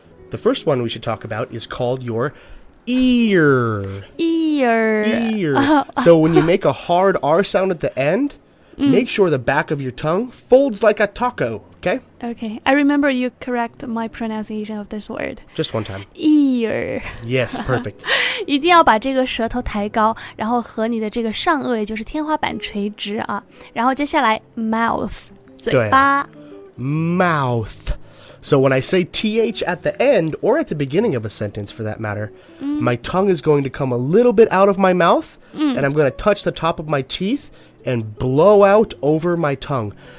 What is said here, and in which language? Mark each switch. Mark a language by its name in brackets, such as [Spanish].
[English] The first one we should talk about is called your ear. Ear. So when you make a hard R sound at the end, make sure the back of your tongue folds like a taco, okay? Okay. I remember you correct my pronunciation of this word. Just one time. Ear. Yes, perfect. [Chinese] 一定要把这个舌头抬高，然后和你的这个上颚，也就是天花板垂直啊。然后接下来 mouth, 嘴巴。 [English] Mouth. So when I say TH at the end, or at the beginning of a sentence for that matter, my tongue is going to come a little bit out of my mouth, and I'm going to touch the top of my teeth and blow out over my tongue.